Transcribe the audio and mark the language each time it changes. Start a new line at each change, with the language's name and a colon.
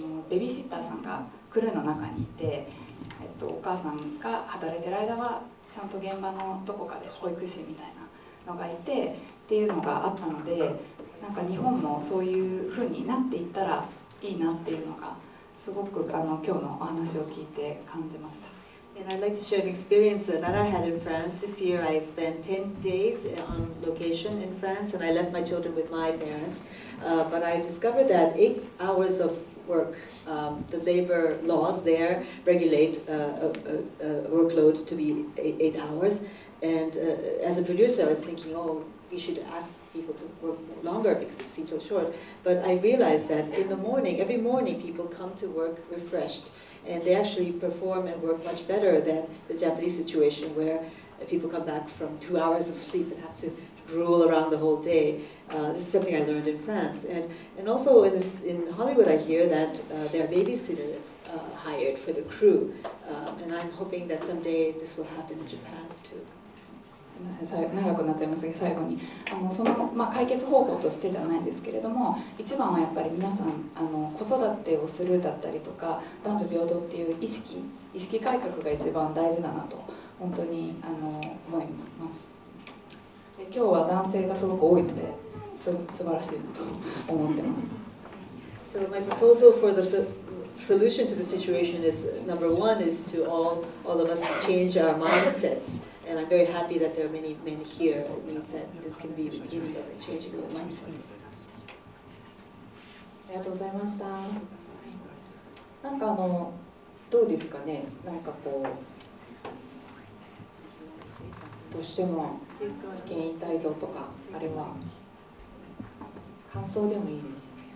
Japanese: ベビーシッターさんがクルーの中にいて、お母さんが働いてる間はちゃんと現場のどこかで保育士みたいなのがいてっていうのがあったので、なんか日本もそういう風になっていったらいいなっていうのがすごく今日のお話を聞いて感じました。
English: And I'd like to share an experience that I had in France. This year I spent 10 days on location in France and I left my children with my parents. But I discovered that 8 hours of work, the labor laws there regulate a workload to be 8 hours. And as a producer I was thinking, oh,we should ask people to work longer because it seems so short. But I realized that in the morning, every morning people come to work refreshed and they actually perform and work much better than the Japanese situation where people come back from 2 hours of sleep and have to drool around the whole day. This is something I learned in France. And also in Hollywood I hear that there are babysitters hired for the crew. And I'm hoping that someday this will happen in Japan too.
Japanese: 長くなっちゃいましたけど、最後にその、まあ、解決方法としてじゃないんですけれども、一番はやっぱり皆さん子育てをするだったりとか男女平等っていう意識改革が一番大事だなと本当に思います。で今日は男性がすごく多いので素晴らしいなと思ってます。
English: So my proposal for the solution to the situation is number one is to all of us change our mindsetsAnd I'm very happy that there are many men here. It means that this can be the beginning of a changing of mindset.
Japanese: ありがとうございました。なんかどうですかね。なんかこう、どうしても意見言いたいぞとか、あれは感想でもいいです。